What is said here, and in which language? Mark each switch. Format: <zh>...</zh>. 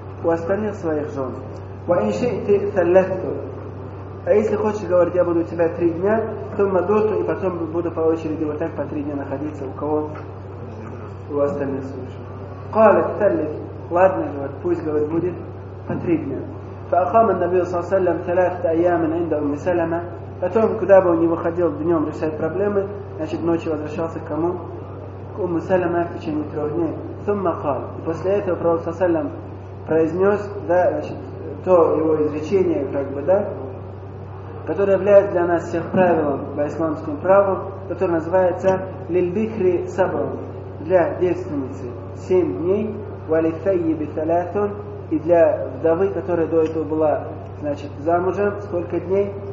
<ru>У остальных своих жен.</ru> <ar>وإن شئت ثلثت.</ar> <ru>А если хочешь, говорит, я буду у тебя 3 дня, потом надуту, и потом буду по очереди вот так по 3 дня находиться у кого? У остальных служб.</ru> <ar>قالت ثلث.</ar> <ru>Ладно, говорит, пусть, говорит, будет по 3 дня.</ru> <ar>فأقام النبي صلى الله عليه وسلم ثلاثة أيام عند أم سلمة.</ar> <ru>Потом, куда бы он ни выходил днем решать проблемы, значит, ночью возвращался к кому? К Умму Салама в течение 3 дней.</ru> <ar>ثم قال.</ar> <ru>После этого пророк صلى الله عليه وسلم произнес, да, значит, то его изречение, как бы, да, которое является для нас всех правилом по исламскому праву, которое называется «Лильбихри сабр» для девственницы 7 дней, «Валитайи биталятун» и для вдовы, которая до этого была, значит, замужем, сколько дней?</ru>